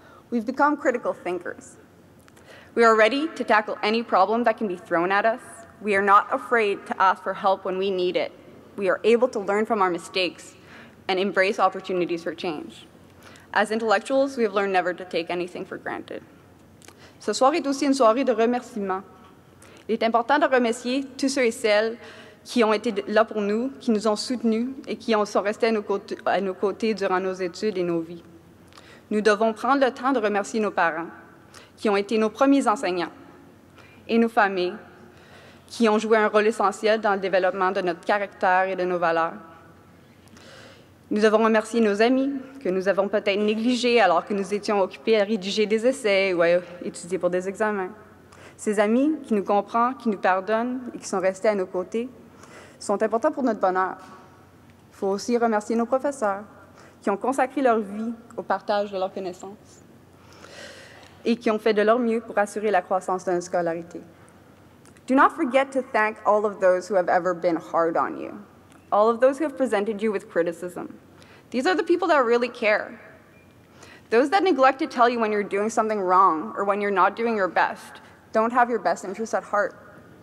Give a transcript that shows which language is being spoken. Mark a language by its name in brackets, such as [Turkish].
[English] We've become critical thinkers. We are ready to tackle any problem that can be thrown at us. We are not afraid to ask for help when we need it. We are able to learn from our mistakes and embrace opportunities for change. As intellectuals, we have learned never to take anything for granted. [French] Ce soir est aussi une soirée de remerciements. Il est important de remercier tous ceux et celles qui ont été là pour nous, qui nous ont soutenus et qui sont restés à nos côtés durant nos études et nos vies. Nous devons prendre le temps de remercier nos parents, qui ont été nos premiers enseignants, et nos familles, qui ont joué un rôle essentiel dans le développement de notre caractère et de nos valeurs. Nous devons remercier nos amis, que nous avons peut-être négligés alors que nous étions occupés à rédiger des essais ou à étudier pour des examens. Ces amis qui nous comprennent, qui nous pardonnent et qui sont restés à nos côtés, sont importants pour notre bonheur. Il faut aussi remercier nos professeurs qui ont consacré leur vie au partage de leurs connaissances et qui ont fait de leur mieux pour assurer la croissance de notre scolarité. [English] Do not forget to thank all of those who have ever been hard on you, all of those who have presented you with criticism. These are the people that really care. Those that neglect to tell you when you're doing something wrong or when you're not doing your best don't have your best interests at heart.